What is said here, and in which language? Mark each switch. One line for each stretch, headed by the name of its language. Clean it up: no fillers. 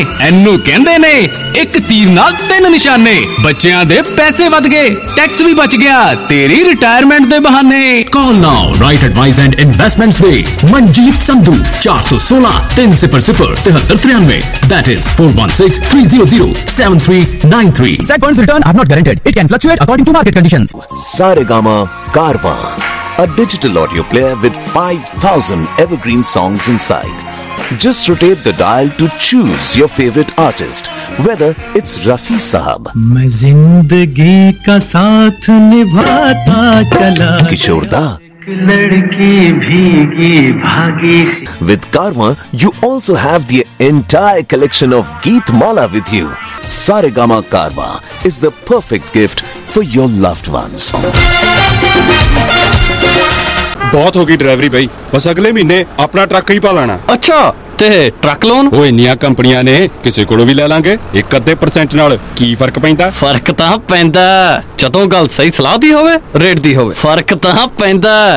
Punjabi: ਇਹਨੂੰ ਕਹਿੰਦੇ ਨੇ 1 ਤੀਰ ਨਾਲ 3 ਨਿਸ਼ਾਨੇ। ਬੱਚਿਆਂ ਦੇ ਪੈਸੇ ਵਧ ਗਏ, ਟੈਕਸ ਵੀ ਬਚ ਗਿਆ, ਤੇਰੀ ਰਿਟਾਇਰਮੈਂਟ ਦੇ ਬਹਾਨੇ।
English: call now right advice and investments
Punjabi: ਦੇ Manjeet Sandhu,
English: 416-300-7393, that is 416-300-7393. Set funds return are not guaranteed, it can fluctuate according to market conditions. Saregama Garva, a digital audio player with 5000 evergreen songs inside. Just rotate the dial to choose your favorite artist, whether it's Rafi Saab,
Hindi: main zindagi ka saath nibhata chala,
English: Kishore Da, with Karma, you also have the entire collection of Geet Mala with you. Saregama Karma is the perfect gift for your loved ones.
Punjabi: ਬਹੁਤ ਹੋ ਗਈ ਡਰਾਈਵਰੀ ਬਈ, ਬਸ ਅਗਲੇ ਮਹੀਨੇ ਆਪਣਾ truck ਹੀ ਪਾ ਲੈਣਾ। ਅੱਛਾ, ਤੇ ਟਰੱਕ ਲੋਨ? ਉਹ ਇੰਨੀਆਂ ਕੰਪਨੀਆਂ ਨੇ, ਕਿਸੇ ਕੋਲੋਂ ਵੀ ਲੈ ਲਾਂਗੇ, 1-2% ਨਾਲ ਕੀ ਫਰਕ ਪੈਂਦਾ? ਫਰਕ ਤਾਂ ਪੈਂਦਾ ਜਦੋਂ ਗੱਲ ਸਹੀ ਸਲਾਹ ਦੀ ਹੋਵੇ, ਰੇਟ ਦੀ ਹੋਵੇ, ਫਰਕ ਤਾਂ ਪੈਂਦਾ।